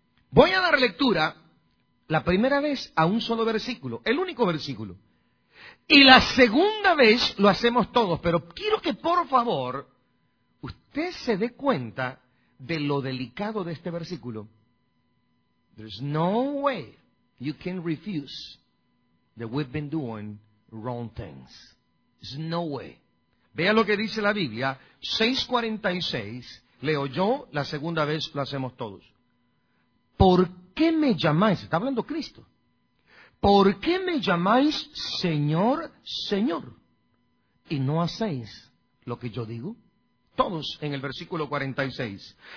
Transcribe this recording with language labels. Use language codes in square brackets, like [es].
[es] Voy a dar lectura la primera vez a un solo versículo, el único versículo. Y la segunda vez lo hacemos todos, pero quiero que por favor usted se dé cuenta de lo delicado de este versículo. [en] There's no way you can refuse that we've been doing wrong things. There's no way. [es] Vea lo que dice la Biblia, 6:46, leo yo, la segunda vez lo hacemos todos. ¿Por qué me llamáis? Está hablando Cristo. ¿Por qué me llamáis Señor, Señor? Y no hacéis lo que yo digo. Todos en el versículo 46.